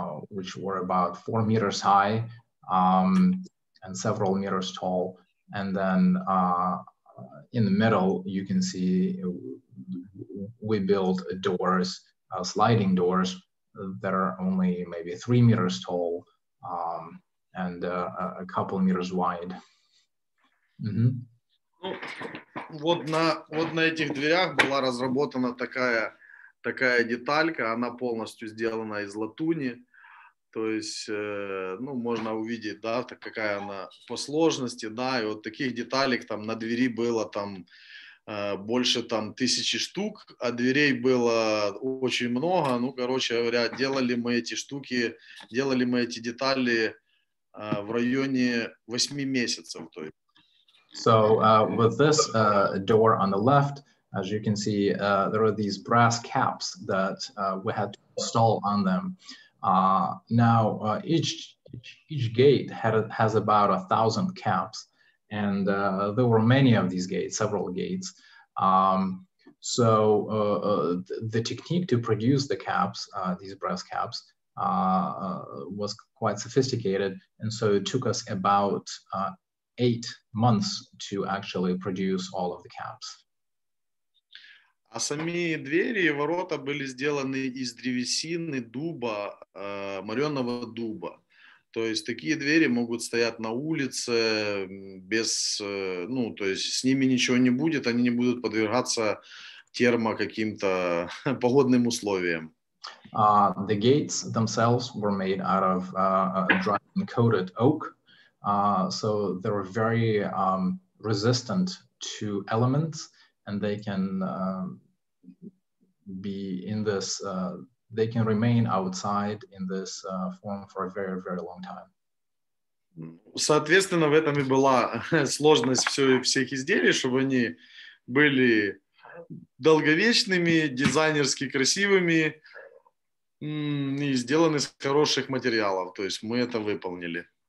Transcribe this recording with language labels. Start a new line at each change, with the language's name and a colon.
English: which were about 4 meters high and several meters tall, and then in the middle you can see we built doors, sliding doors that are only maybe 3 meters tall and a couple meters wide.
Russian: Ну, вот на этих дверях была разработана такая деталька, она полностью сделана из латуни. То есть, ну, можно увидеть, да, какая она по сложности, да, и вот таких деталек там на двери было там больше там 1000 штук, а дверей было очень много. Ну, короче говоря, делали мы эти детали в районе 8 месяцев.
English: So with this door on the left, as you can see, there are these brass caps that we had to install on them. Now each gate has about 1,000 caps, and there were many of these gates, several gates. The technique to produce the caps, these brass caps, was quite sophisticated, and so it took us about 8 months to actually produce all of the caps.
Russian: А сами двери и ворота были сделаны из древесины дуба, моренного дуба. То есть такие двери могут стоять на улице без, ну, то есть с ними ничего не будет, они не будут подвергаться термо каким-то погодным условиям.
English: The gates themselves were made out of dry and coated oak, so they were very resistant to elements, and they can be in this, they can remain outside in this form for a very, very long time.
Russian: Соответственно, в этом и была сложность всех изделий, чтобы они были долговечными, дизайнерски красивыми. Сделаны из хороших материалов, то есть мы это выполнили.